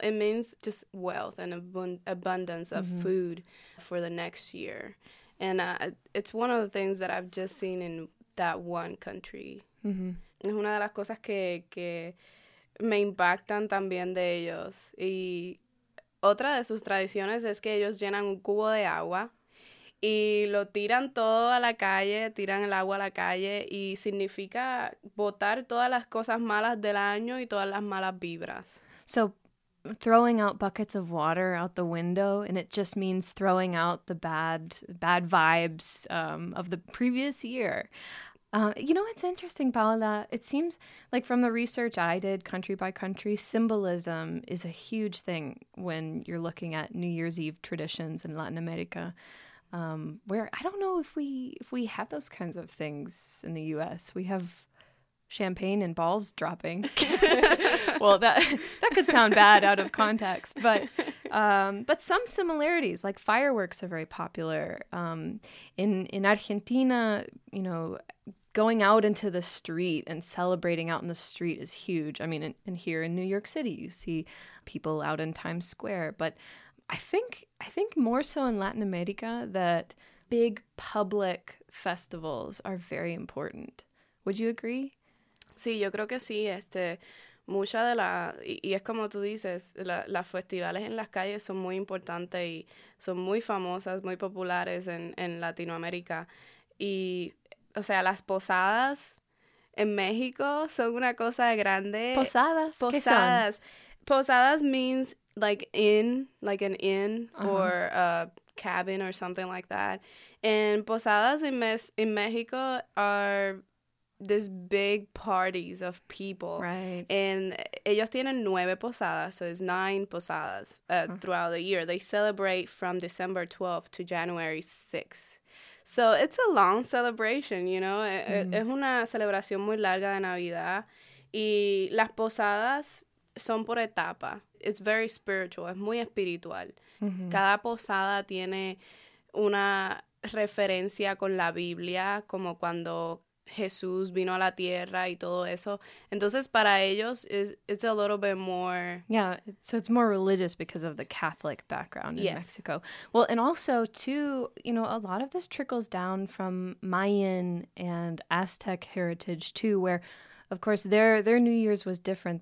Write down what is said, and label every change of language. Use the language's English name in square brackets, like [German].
[English] It means just wealth and abundance of mm-hmm. food for the next year. And it's one of the things that I've just seen in that one country. Mm-hmm. [Spanish] Es una de las cosas que me impactan también de ellos. Y otra de sus tradiciones es que ellos llenan un cubo de agua. Y lo tiran todo a la calle, tiran el agua a la calle, y significa botar todas las cosas malas del año y todas las malas vibras. [English] So, throwing out buckets of water out the window, and it just means throwing out the bad vibes of the previous year. You know, it's interesting, Paula. It seems like from the research I did country by country, symbolism is a huge thing when you're looking at New Year's Eve traditions in Latin America. Where I don't know if we have those kinds of things in the U.S. We have champagne and balls dropping. Well, that could sound bad out of context, but some similarities, like fireworks, are very popular. In Argentina, you know, going out into the street and celebrating out in the street is huge. I mean, and here in New York City, you see people out in Times Square, but I think more so in Latin America that big public festivals are very important. Would you agree? [Spanish] Sí, yo creo que sí. mucha de la, y es como tú dices, las festivales en las calles son muy importantes y son muy famosas, muy populares en Latinoamérica. Y, o sea, las posadas en México son una cosa grande. Posadas, ¿qué son? [English] Posadas. Posadas means like inn, like an inn or a cabin or something like that. And posadas in Mexico are these big parties of people. And [Spanish] ellos tienen [English] 9 posadas, so it's 9 posadas throughout the year. They celebrate from December 12th to January 6th. So it's a long celebration, you know? [Spanish] Es una celebración muy larga de Navidad. Y las posadas son por etapa. [English] It's very spiritual, [Spanish] es muy espiritual. Cada posada tiene una referencia con la Biblia, como cuando Jesús vino a la tierra y todo eso. Entonces, para ellos, [English] it's a little bit more. Yeah, so it's more religious because of the Catholic background in Yes. Mexico. Well, and also, too, you know, a lot of this trickles down from Mayan and Aztec heritage, too, where, of course, their New Year's was different.